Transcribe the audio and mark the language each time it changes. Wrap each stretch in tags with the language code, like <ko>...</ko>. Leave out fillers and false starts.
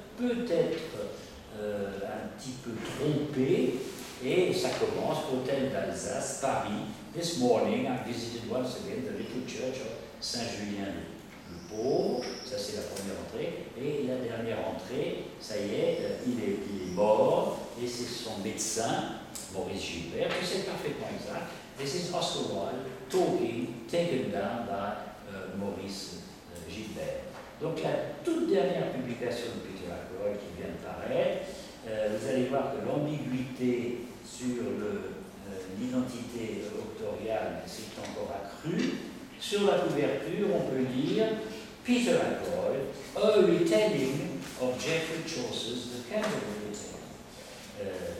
<fr>peut-être un petit peu trompé, et ça commence, Hôtel d'Alsace, Paris.</fr> <en>This morning I visited once again the little church of Saint-Julien.</en> <fr>Le pauvre, ça c'est la première entrée, et la dernière entrée, ça y est, il est mort, et c'est son médecin, Maurice Gilbert, qui c'est parfaitement exact.</fr> <en>This is Oscar Wilde talking, taken down by Maurice Gilbert.</en> <fr>Donc la toute dernière publication de Peter Ackroyd qui vient de paraître, vous allez voir que l'ambiguïté sur l'identité auctoriale s'est encore accrue. Sur la couverture, on peut lire Peter Ackroyd,</fr> <en>a retelling of Geoffrey Chaucer's The Canterbury Tales.</en>